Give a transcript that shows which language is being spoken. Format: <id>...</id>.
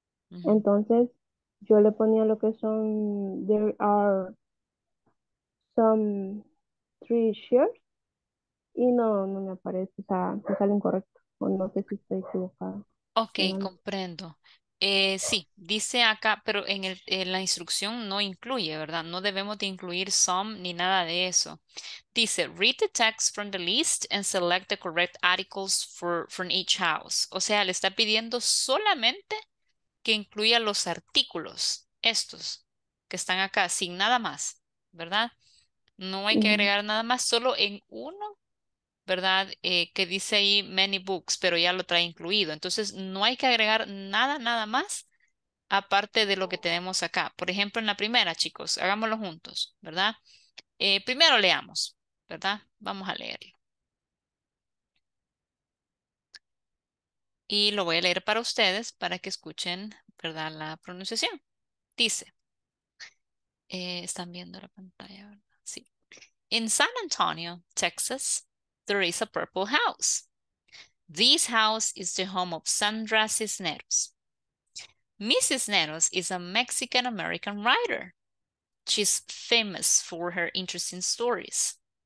<es>Entonces, yo le ponía lo que son</es> <en>there are some three shares</en> <es>y no me aparece, o sea, me sale incorrecto, o no sé si estoy equivocado. Ok, comprendo. Sí, dice acá, pero en la instrucción no incluye, ¿verdad? No debemos de incluir some ni nada de eso.</es> <en>Dice, read the text from the list and select the correct articles from each house.</en> <es>O sea, le está pidiendo solamente que incluya los artículos, estos que están acá, sin nada más, ¿verdad? No hay que agregar nada más, solo en uno, ¿verdad? Que dice ahí</es> <en>many books,</en> <es>pero ya lo trae incluido. Entonces, no hay que agregar nada más aparte de lo que tenemos acá. Por ejemplo, en la primera, chicos, hagámoslo juntos, ¿verdad? Primero leamos, ¿verdad? Vamos a leerlo. Y lo voy a leer para ustedes, para que escuchen, ¿verdad?, la pronunciación. Dice, están viendo la pantalla, ¿verdad? Sí.</es> <en>In San Antonio, Texas, there is a purple house. This house is the home of Sandra Cisneros. Mrs. Cisneros is a Mexican-American writer. She's famous for her interesting stories.</en>